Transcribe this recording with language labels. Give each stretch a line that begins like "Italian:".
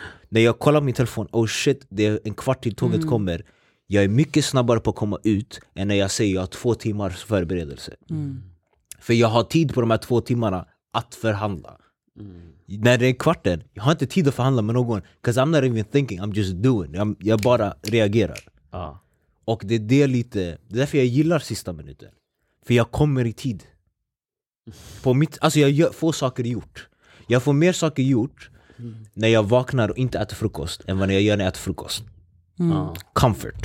Swedish: När jag kollar min telefon,
English: oh shit,
Swedish: det är en kvart till tåget kommer. Jag är mycket snabbare på att komma ut än när jag säger jag har 2 timmars förberedelse. För jag har tid på de här 2 timmarna. Att förhandla. När det är kvarten, jag har inte tid att förhandla med någon.
English: Because I'm not even thinking, I'm just doing.
Swedish: Jag bara reagerar. Och det är det lite, det är därför jag gillar sista minuten. För jag kommer i tid. Alltså jag får saker gjort. Jag får mer saker gjort när jag vaknar och inte äter frukost än vad jag gör när jag äter frukost.
English: Comfort.